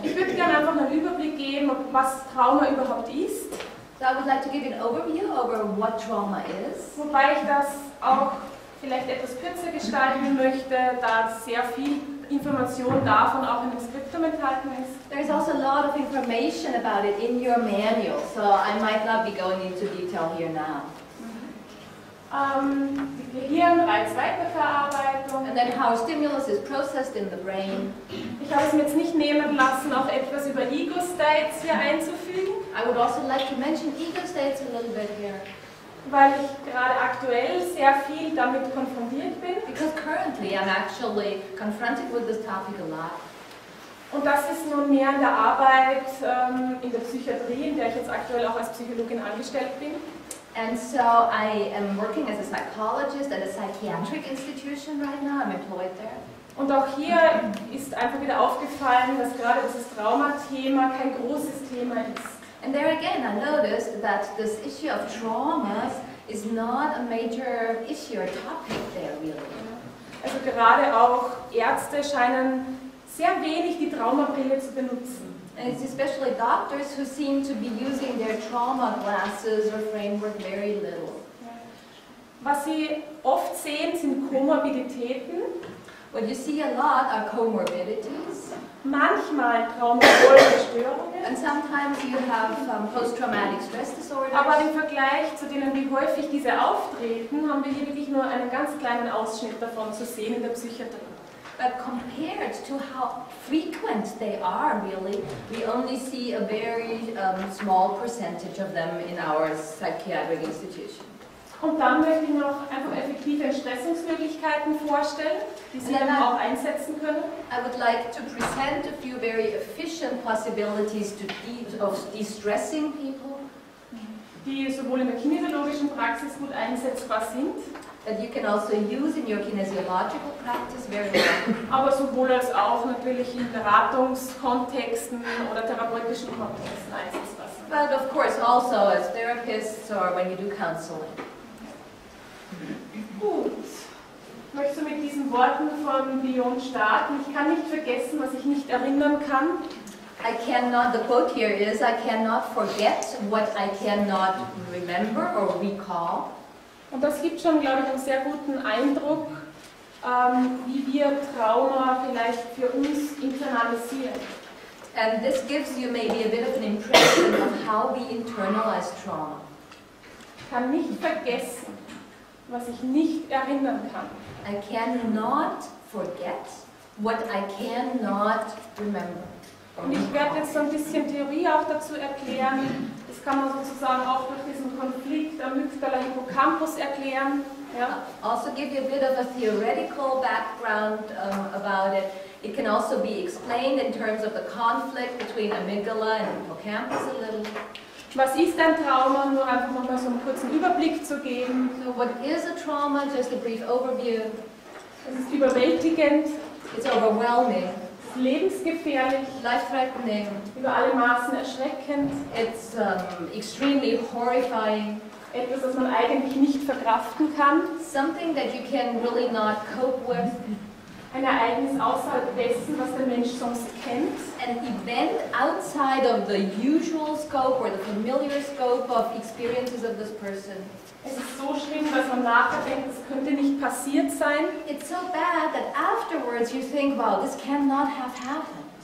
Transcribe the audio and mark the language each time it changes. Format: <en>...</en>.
<de>Ich würde gerne einfach einen Überblick geben, was Trauma überhaupt ist.</de> <en>So I would like to give an overview over what trauma is.</en> <de>Wobei ich das auch vielleicht etwas kürzer gestalten möchte, da sehr viel Information davon auch in dem Skriptum enthalten ist.</de> <en>There is also a lot of information about it in your manual, so I might not be going into detail here now.</en> <de>Die Gehirnreizweiterverarbeitung.</de> <en>And then how stimulus is processed in the brain.</en> <de>Ich habe es mir jetzt nicht nehmen lassen, auch etwas über Ego States hier einzufügen.</de> <en>I would also like to mention Ego States a little bit here.</en> <de>Weil ich gerade aktuell sehr viel damit konfrontiert bin.</de> <en>Because currently I'm actually confronted with this topic a lot.</en> <de>Und das ist nun mehr in der Arbeit in der Psychiatrie, in der ich jetzt aktuell auch als Psychologin angestellt bin.</de> <en>And so I am working as a psychologist at a psychiatric institution right now. I'm employed there.</en> <de>Und auch hier ist einfach wieder aufgefallen, dass gerade dieses Traumathema kein großes Thema ist.</de> <en>And there again, I noticed that this issue of traumas is not a major issue or topic there, really.</en> <de>Also gerade auch Ärzte scheinen sehr wenig die Traumabrille zu benutzen.</de> <en>And it's especially doctors who seem to be using their trauma glasses or framework very little.</en> <de>Was sie oft sehen, sind Komorbiditäten.</de> <en>What you see a lot are comorbidities.</en> <de>Manchmal traumatische Störungen.</de> <en>And sometimes you have post-traumatic stress disorders.</en> <de>Aber im Vergleich zu denen, wie häufig diese auftreten, haben wir hier wirklich nur einen ganz kleinen Ausschnitt davon zu sehen in der Psychiatrie.</de> <en>But compared to how frequent they are, really, we only see a very small percentage of them in our psychiatric institution.</en> <de>Und dann möchte ich noch einfach effektive Entstressungsmöglichkeiten vorstellen, die Sie dann auch einsetzen können.</de> <en>I would like to present a few very efficient possibilities to de-stressing people,</en> <de>die sowohl in der kinesiologischen Praxis gut einsetzbar sind,</de> <en>that you can also use in your kinesiological practice very well,</en> <de>aber sowohl als auch natürlich in Beratungskontexten oder therapeutischen Kontexten einsetzbar sind.</de> <en>But of course also as therapists or when you do counseling.</en> <de>Gut, möchtest du mit diesen Worten von Bion starten? Ich kann nicht vergessen, was ich nicht erinnern kann.</de> <en>I cannot, the quote here is, I cannot forget what I cannot remember or recall.</en> <de>Und das gibt schon, glaube ich, einen sehr guten Eindruck, wie wir Trauma vielleicht für uns internalisieren.</de> <en>And this gives you maybe a bit of an impression of how we internalize trauma.</en> <de>Ich kann nicht vergessen, was ich nicht erinnern kann.</de> <en>I cannot forget what I cannot remember.</en> <de>Und ich werde jetzt so ein bisschen Theorie auch dazu erklären. Das kann man sozusagen auch durch diesen Konflikt Amygdala Hippocampus erklären. Ja.</de> <en>Also give you a bit of a theoretical background about it. It can also be explained in terms of the conflict between amygdala and hippocampus a little.</en> <de>Was ist ein Trauma? Nur einfach mal so einen kurzen Überblick zu geben.</de> <en>So what is a trauma? Just a brief overview.</en> <de>Es ist überwältigend.</de> <en>It's overwhelming.</en> <de>Lebensgefährlich.</de> <en>Life-threatening.</en> <de>Über alle Maßen erschreckend.</de> <en>It's extremely horrifying.</en> <de>Etwas, was man eigentlich nicht verkraften kann.</de> <en>Something that you can really not cope with.</en> <de>Ein Ereignis außerhalb dessen, was der Mensch sonst kennt.</de> <en>An event outside of the usual scope or the familiar scope of experiences of this person.</en> <de>Es ist so schlimm, dass man nachher denkt, es könnte nicht passiert sein.</de> <en>It's so bad that afterwards you think, wow, this cannot have happened.</en>